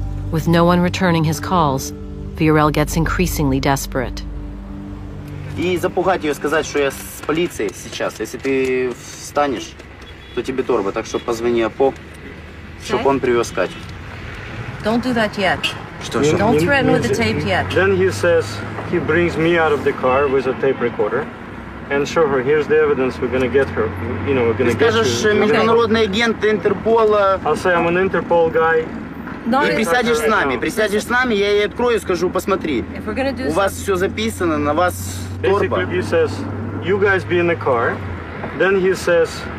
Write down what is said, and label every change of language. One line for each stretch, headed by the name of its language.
English: With no one returning his calls, Viorel gets increasingly desperate.
Russian: И запугать ее, сказать, что я с полицией сейчас. Если ты встанешь, то тебе торба. Так что позвони Апо, чтобы он привез Катю.
English: Don't do that yet.
Russian: Что?
English: Don't threaten with the tape yet. Then he says he brings me out of the car with a tape recorder and show her, here's the evidence, we're going to get her. You know, we're going to get her.
Russian: Скажешь, международный агент Интерпола.
English: I'll say I'm an Interpol guy.
Russian: Ты присядешь с нами, присядешь с нами, я ей открою, скажу, посмотри. У вас все записано, на вас торба.
English: You guys be in the car. Then he says,